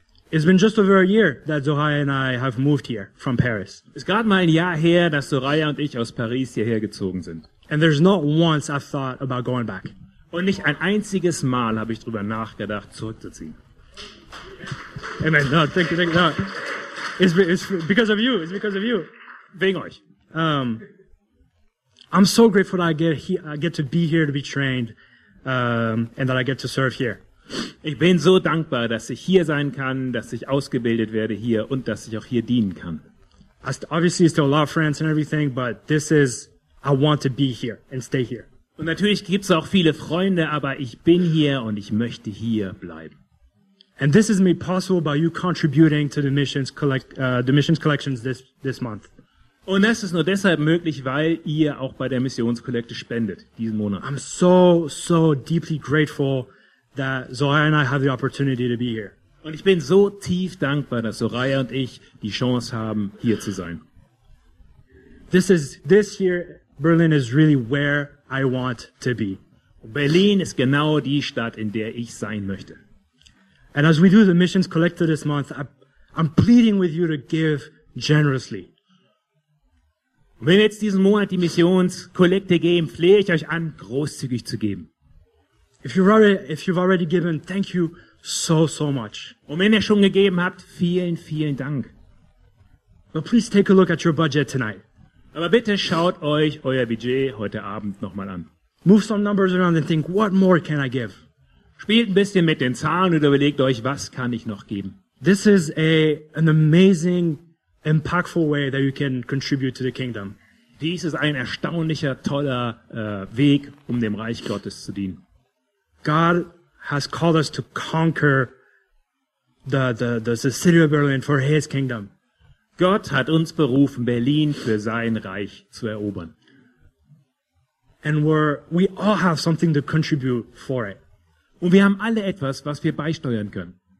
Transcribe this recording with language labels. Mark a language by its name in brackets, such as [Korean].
[English] It's been just over a year that Soraya and I have moved here from Paris. [German] Es ist gerade mal ein Jahr her, dass Soraya und ich aus Paris hierher gezogen sind. [English] And there's not once I've thought about going back. [German] Und nicht ein einziges Mal habe ich drüber nachgedacht, zurückzuziehen. [English] Amen. No, thank you. It's because of you. It's because of you. [German] Wegen euch. [English] I'm so grateful that I get to be here to be trained, and that I get to serve here. [German] Ich bin so dankbar, dass ich hier sein kann, dass ich ausgebildet werde hier und dass ich auch hier dienen kann. [English] Obviously, still love France and everything, but this is, I want to be here and stay here. [German] Und natürlich gibt's auch viele Freunde, aber ich bin hier und ich möchte hier bleiben. [English] And this is made possible by you contributing to the missions collections this month. [German] Und das ist nur deshalb möglich, weil ihr auch bei der Missionskollekte spendet diesen Monat. [English] I'm so, so deeply grateful that Soraya and I have the opportunity to be here. [German] Und ich bin so tief dankbar, dass Soraya und ich die Chance haben, hier zu sein. [English] This year, Berlin is really where I want to be. [German] Berlin ist genau die Stadt, in der ich sein möchte. [English] And as we do the missions collected this month, I'm pleading with you to give generously. [German] Wenn wir jetzt diesen Monat die Missionskollekte geben, flehe ich euch an, großzügig zu geben. [English] If you've already given, thank you so, so much. [German] Und wenn ihr schon gegeben habt, vielen, vielen Dank. [English] But please take a look at your budget tonight. [German] Aber bitte schaut euch euer Budget heute Abend nochmal an. [English] Move some numbers around and think, what more can I give? [German] Spielt ein bisschen mit den Zahlen und überlegt euch, was kann ich noch geben? [English] This is an amazing, impactful way that you can contribute to the kingdom. [German] Dies ist ein erstaunlicher, toller Weg, um dem Reich Gottes zu dienen. [English] God has called us to conquer the city of Berlin for his kingdom. [German] Gott hat uns berufen, Berlin für sein Reich zu erobern. [English] And we all have something to contribute for it. [German] Und wir haben alle etwas, was wir beisteuern können.